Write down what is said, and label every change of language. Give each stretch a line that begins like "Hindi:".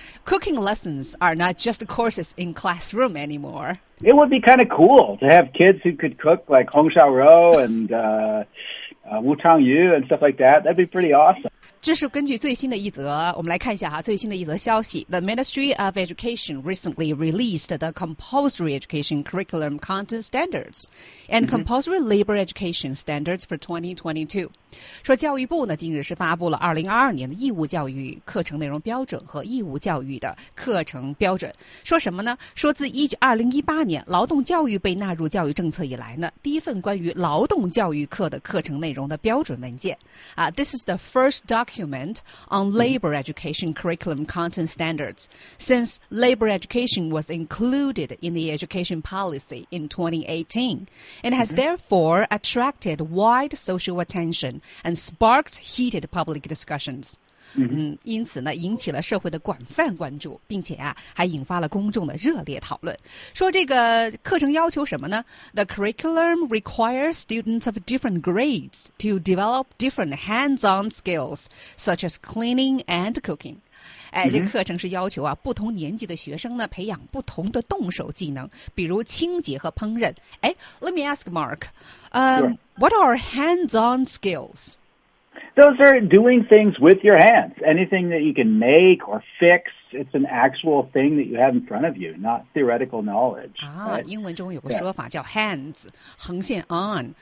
English: Cooking lessons are not just courses in classroom anymore. It would be kind of cool to have kids who could cook like Hong Xiao Rou and, Wu Chang Yu and stuff like that. That'd be pretty awesome.
Chinese: 这是根据最新的一则，我们来看一下哈，最新的一则消息。
English: The Ministry of Education recently released the compulsory education curriculum content standards and compulsory labor education standards for 2022.
Chinese: 说教育部呢，近日是发布了2022年的义务教育课程内容标准和义务教育的课程标准。说什么呢？说自2018年劳动教育被纳入教育政策以来呢，第一份关于劳动教育课的课程内容的标准文件。
English: This is the first document on labor education curriculum content standards since labor education was included in the education policy in 2018 and has therefore attracted wide social attention and sparked heated public discussions.
Chinese: 因此呢引起了社会的广泛关注，并且啊还引发了公众的热烈讨论。说这个课程要求什么呢？
English: The curriculum requires students of different grades to develop different hands-on skills such as cleaning and cooking.
Chinese: 这个课程是要求啊不同年级的学生呢培养不同的动手技能，比如清洁和烹饪。
English: Let me ask Mark, what are hands-on skills? Those are doing things with your hands. Anything that you can make or fix, it's an actual thing that you have in front of you, not theoretical knowledge.
Chinese: 英文中有个说法叫 hands, 横线 on.